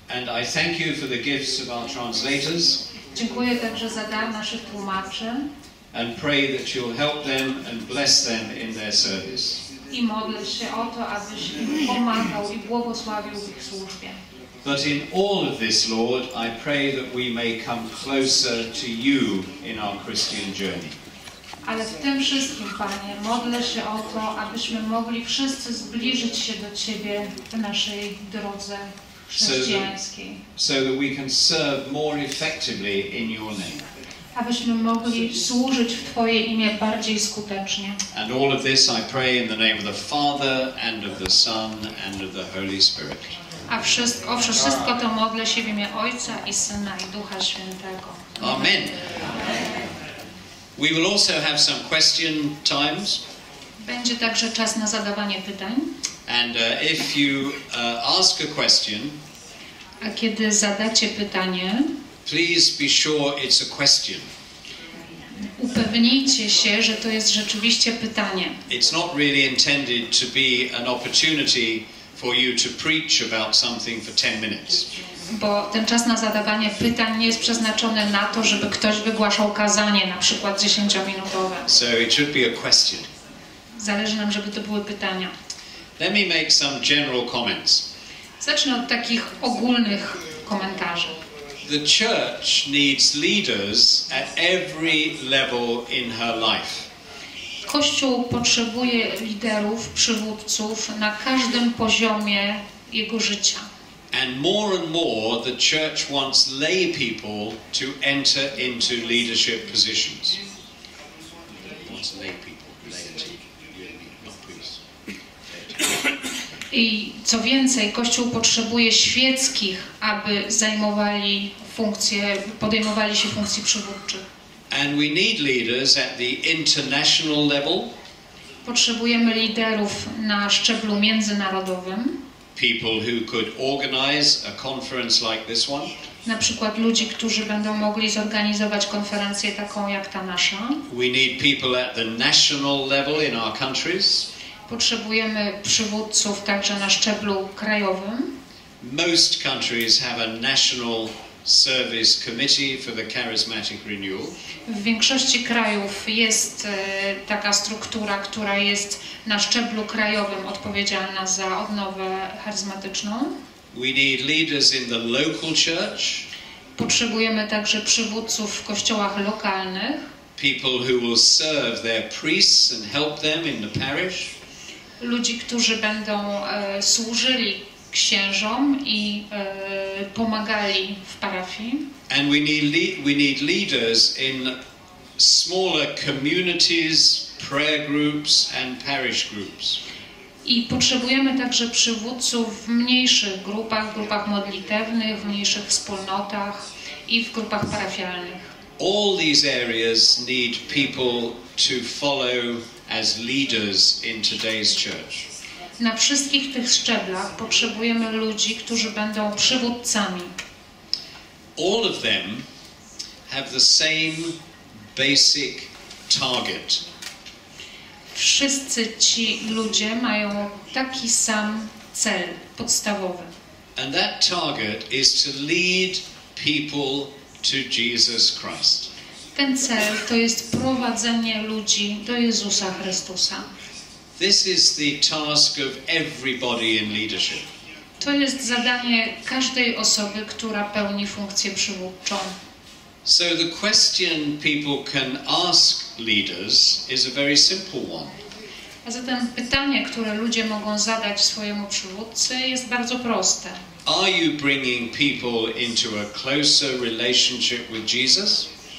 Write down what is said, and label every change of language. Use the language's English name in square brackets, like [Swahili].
[English] And I thank you for the gifts of our translators. [Polish] Dziękuję także za dar naszych tłumaczy. [English] And pray that you'll help them and bless them in their service. [Polish] I modlę się o to, abyś im pomagał i błogosławił w ich służbie. [English] But in all of this, Lord, I pray that we may come closer to you in our Christian journey. [Polish] Ale w tym wszystkim, Panie, modlę się o to, abyśmy mogli wszyscy zbliżyć się do Ciebie w naszej drodze chrześcijańskiej. [English] So that we can serve more effectively in your name. [Polish] Abyśmy mogli służyć w Twoje imię bardziej skutecznie. [English] And all of this I pray in the name of the Father and of the Son and of the Holy Spirit. [Polish] A wszystko to modlę się w imię Ojca i Syna i Ducha Świętego. [English] Amen. We will also have some question times. [Polish] Będzie także czas na zadawanie pytań. [English] And if you ask a question, [Polish] a kiedy zadacie pytanie, [English] please be sure it's a question. [Polish] Upewnijcie się, że to jest rzeczywiście pytanie. [English] It's not really intended to be an opportunity for you to preach about something for 10 minutes. [Polish] Bo ten czas na zadawanie pytań nie jest przeznaczony na to, żeby ktoś wygłaszał kazanie, na przykład 10-minutowe. [English] So it should be a question. [Polish] Zależy nam, żeby to były pytania. [English] Let me make some general comments. [Polish] Zacznę od takich ogólnych komentarzy. [English] The church needs leaders at every level in her life. [Polish] Kościół potrzebuje liderów, przywódców na każdym poziomie jego życia. [English] And more the church wants lay people to enter into leadership positions. Wants lay people, laity, not priests. [Polish] I co więcej, Kościół potrzebuje świeckich, aby zajmowali funkcje, podejmowali się funkcji przywódczych. [English] And we need leaders at the international level. [Polish] Potrzebujemy liderów na szczeblu międzynarodowym. [English] People who could organize a conference like this one. [Polish] Na przykład ludzi, którzy będą mogli zorganizować konferencję taką jak ta nasza. [English] We need people at the national level in our countries. [Polish] Potrzebujemy przywódców także na szczeblu krajowym. [English] Most countries have a national service committee for the charismatic renewal. [Polish] W większości krajów jest taka struktura, która jest na szczeblu krajowym odpowiedzialna za odnowę charyzmatyczną. [English] We need leaders in the local church. [Polish] Potrzebujemy także przywódców w kościołach lokalnych. [English] People who will serve their priests and help them in the parish. [Polish] Ludzi, którzy będą służyli księżom i pomagali w parafii. [English] And we need leaders in smaller communities, prayer groups and parish groups. [Polish] I potrzebujemy także przywódców w mniejszych grupach, grupach modlitewnych, w mniejszych wspólnotach i w grupach parafialnych. [English] All these areas need people to follow as leaders in today's church. [Polish] Na wszystkich tych szczeblach potrzebujemy ludzi, którzy będą przywódcami. [English] All of them have the same basic target. [Polish] Wszyscy ci ludzie mają taki sam cel podstawowy. [English] And that target is to lead people to Jesus Christ. [Polish] Ten cel to jest prowadzenie ludzi do Jezusa Chrystusa. [English] This is the task of everybody in leadership. [Polish] To jest zadanie każdej osoby, która pełni funkcję przywódczą. [English] So the question people can ask leaders is a very simple one. [Polish] A zatem pytanie, które ludzie mogą zadać swojemu przywódcy, jest bardzo proste. [English] Are you bringing people into a closer relationship with Jesus?